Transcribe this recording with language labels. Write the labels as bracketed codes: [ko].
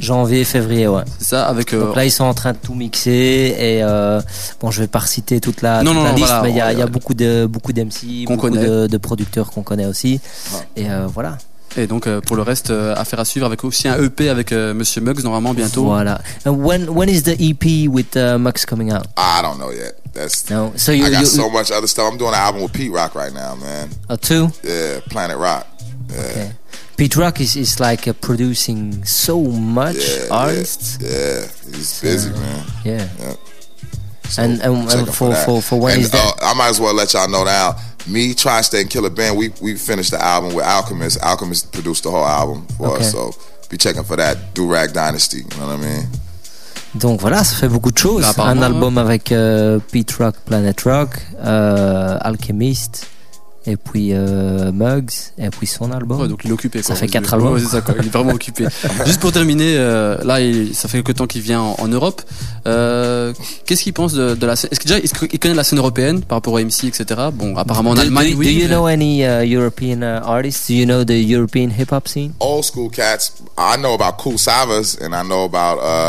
[fr] Janvier-février, ouais. C'est ça, avec. Donc là ils sont en train de tout mixer et bon je vais pas reciter toute la, non, toute non, la non, liste, voilà, mais il y a beaucoup d'MC, qu'on connaît, de producteurs qu'on connaît aussi, ouais. Et voilà. Et donc pour le reste, affaire à suivre avec aussi un EP avec Monsieur Muggs normalement bientôt. Voilà. [en] And when is the EP with Muggs coming out? I don't know yet. That's no. So you, I got you, so much other stuff. I'm doing an album with Pete Rock right now, man. Oh, two? Yeah, Planet Rock. Yeah. Okay. Pete Rock is like producing so much, yeah, artists. Yeah, yeah. He's busy, man. Yeah. So and for when and, is that? I might as well let y'all know now. Me, Tri-State, and Killer Ben, we finished the album with Alchemist. Alchemist produced the whole album for us, so be checking for that. Durag Dynasty, you know what I mean? [fr] Donc voilà, ça fait beaucoup de choses. Là, un album avec Pete Rock, Planet Rock, Alchemist, et puis Muggs, et puis son album. Ouais, donc il est occupé. Ça fait 4 albums. Ouais, c'est ça, il est vraiment occupé. Juste pour terminer, là, ça fait quelques temps qu'il vient en Europe. Qu'est-ce qu'il pense de la scène? Est-ce qu'il, déjà, est-ce qu'il connaît la scène européenne par rapport à MC, etc.? Bon, apparemment en Allemagne, oui. [en] Do you know any European artists? Do you know the European hip-hop scene? Old school cats. I know about Kool Savas, and I know about...